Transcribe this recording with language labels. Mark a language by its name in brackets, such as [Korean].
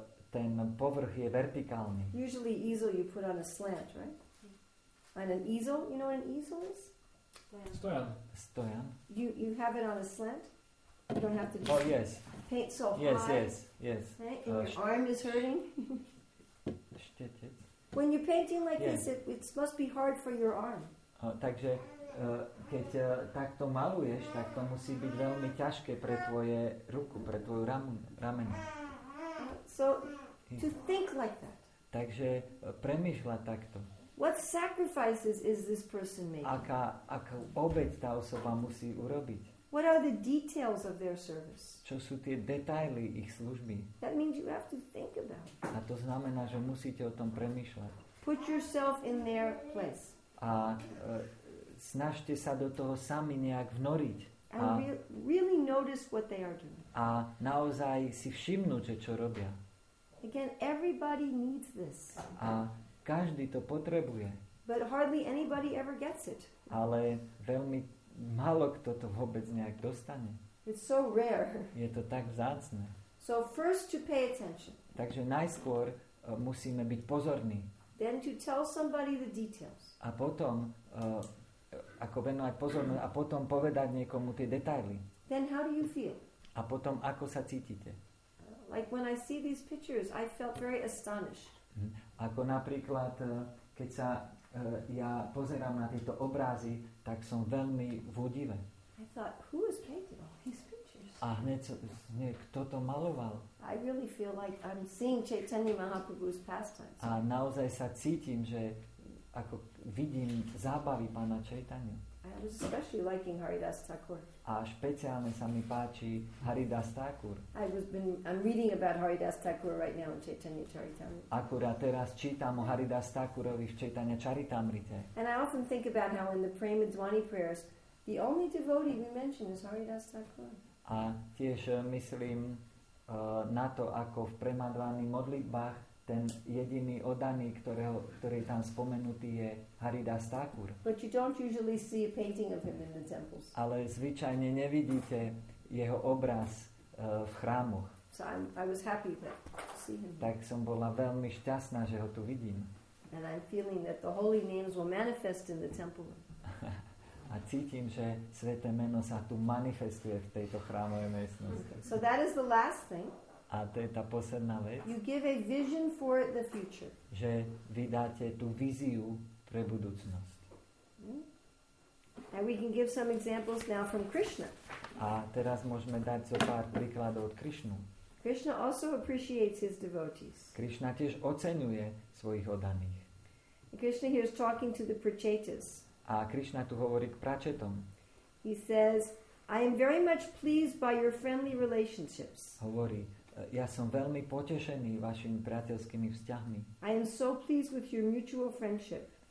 [Slovak] Ten povrch je vertikálny. [English] Usually easel you put on a slant, right? On an easel, you know what an easel is? [Slovak] Stojan. Stojan. [English] You have it on a slant? You don't have to just paint so yes, high. Yes, yes, yes. Right? And your arm is hurting. [Slovak] Štetec. [English] When you're painting like this, it must be hard for your arm. [Slovak] Takže keď takto maluješ, tak to musí byť veľmi ťažké pre tvoje ruku, pre tvoju rameno. [English] So to think like that. [Slovak] Takže premýšľa takto. [English] What sacrifices is this person making? [Slovak] Aká obeť tá osoba musí urobiť? [English] What are the details of their service? [Slovak] Čo sú tie detaily ich služby? [English] That means you have to think about. [Slovak] A to znamená, že musíte o tom premýšľať. [English] Put yourself in their place. [Slovak] A snažte sa do toho sami nejak vnoriť. [English] And really notice what they are doing. [Slovak] A naozaj si všimnúť, čo robia. [English] Again, everybody needs this. [Slovak] A každý to potrebuje. [English] But hardly anybody ever gets it. [Slovak] Ale veľmi málo kto to vôbec nejak dostane. [English] It's so rare. [Slovak] Je to tak vzácne. [English] So first to pay attention. [Slovak] Takže najskôr musíme byť pozorní. [English] Then to tell somebody the details. [Slovak] A potom ako venovať pozornosť a potom povedať niekomu tie detaily. [English] Then how do you feel? [Slovak] A potom ako sa cítite? [English] Like when I see these pictures, I felt very astonished. [Slovak] Ako napríklad, keď sa ja pozerám na tieto obrazy, tak som veľmi v údive. [English] I thought, who is painting all these pictures? [Slovak] A hneď, kto to maloval? [English] I really feel like I'm seeing Chaitanya Mahaprabhu's pastimes. [Slovak] A naozaj sa cítim, že ako vidím zábavy pána Chaitanya. [English] I was especially liking Haridas Thakur. [Slovak] A špeciálne sa mi páči Haridas Thakur. [English] I'm reading about Haridas Thakur right now in Chaitanya Charitamrita. [Slovak] Akurát teraz čítam o Haridas Thakurovi v Chaitanya Charitamrite. [English] And I often think about how in the Premadvani prayers, the only devotee we mention is Haridas Thakur. [Slovak] A tiež myslím na to, ako v Premadvani modlitbách ten jediný oddaný, ktorý tam spomenutý, je Haridas Thakur. [English] But you don't usually see a painting of him in the temples. [Slovak] Ale zvyčajne nevidíte jeho obraz v chrámoch. [English] So I was happy to see him. [Slovak] Tak som bola veľmi šťastná, že ho tu vidím. [English] And I'm feeling that the holy names will manifest in the temple. [Slovak] A cítim, že sväté meno sa tu manifestuje v tejto chrámovej miestnosti. [English] So that is the last thing. [Slovak] A to je tá posledná vec. [English] You give a vision for the future. [Slovak] Že vy dáte tú viziu pre budúcnosť. Mm. [English] And we can give some examples now from Krishna. [Slovak] A teraz môžeme dať zo pár príkladov od Krishnu. [English] Krishna also appreciates his devotees. [Slovak] Krishna tiež oceňuje svojich oddaných. [English] Krishna here is talking to the prachetas. [Slovak] A Krishna tu hovorí k prachetom. [English] He says, I am very much pleased by your friendly relationships. [Slovak] Hovorí, ja som veľmi potešený vašimi priateľskými vzťahmi. [English] I am so pleased with your mutual friendship.